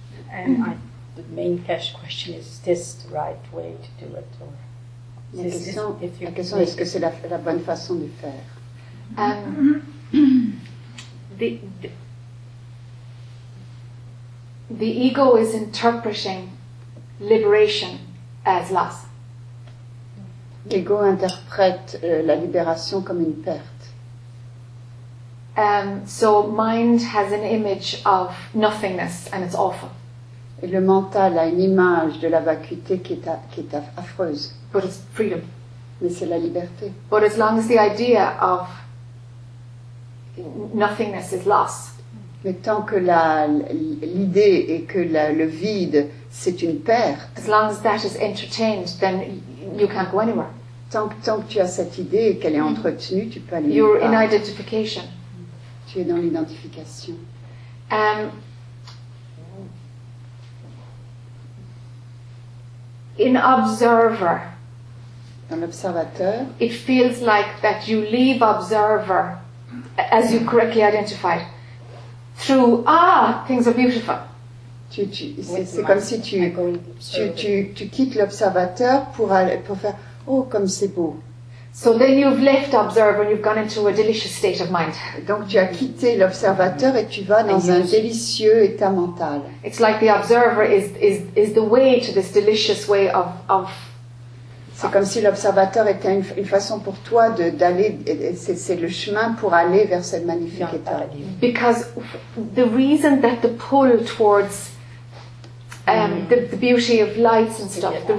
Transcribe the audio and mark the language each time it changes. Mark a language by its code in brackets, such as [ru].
[en] And the main cash question is this the right way to do it, or [fr] la question, est-ce que c'est la bonne façon de faire? [en] The ego is interpreting liberation as loss. [fr] L'ego interprète la libération comme une perte. [en] So mind has an image of nothingness and it's awful. [fr] Et le mental a une image de la vacuité qui est affreuse. [en] But it's freedom. [fr] Mais c'est la liberté. [en] But as long as the idea of nothingness is lost. [fr] Mais tant que l'idée est que le vide, c'est une perte. [en] As long as that is entertained, then you can't go anywhere. [fr] Tant que tu as cette idée et qu'elle est entretenue, tu peux aller nulle part. [en] You're in identification. [fr] Tu es dans l'identification. [en] In observer, [fr] dans l'observateur, [en] it feels like that you leave observer, as you correctly identified, through things are beautiful. [fr] C'est comme si tu quittes l'observateur pour faire oh comme c'est beau. [en] So then you've left observer and you've gone into a delicious state of mind. [fr] Donc tu as quitté l'observateur et tu vas dans un délicieux état mental. [en] It's like the observer is the way to this delicious way of. [fr] C'est comme si l'observateur était une façon pour toi d'aller. C'est le chemin pour aller vers cette magnifique état. [en] Because the reason that the pull towards the beauty of lights and stuff.